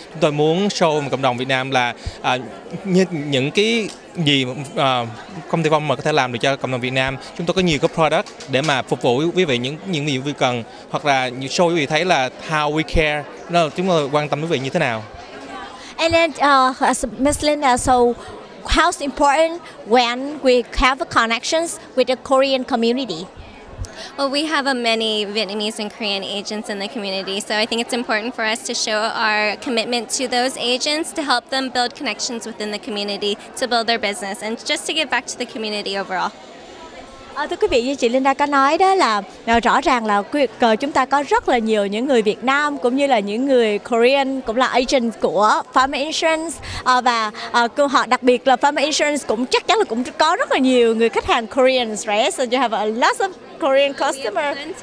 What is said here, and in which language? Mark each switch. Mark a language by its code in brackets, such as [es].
[vi] Chúng tôi muốn show cộng đồng Việt Nam là những cái gì công ty Farmer có thể làm được cho cộng đồng Việt Nam. Chúng tôi có nhiều cái product để mà phục vụ quý vị những gì quý vị cần, hoặc là show quý vị thấy là [en] how we care, [vi] là chúng tôi quan tâm quý vị như thế nào. [en] And then Miss Linda, so how important when we have connections with the Korean community? Well, we have many Vietnamese and Korean agents in the community, so I think it's important for us to show our commitment to those agents to help them build connections within the community to build their business and just to give back to the community overall. [vi] Thưa quý vị, như chị Linda có nói đó là rõ ràng là chúng ta có rất là nhiều những người Việt Nam cũng như là những người Korean cũng là agent của Farmer Insurance, và câu hỏi đặc biệt là Farmer Insurance cũng chắc chắn là cũng có rất là nhiều người khách hàng Koreans, [en] right? So you have a lot of Korean customer.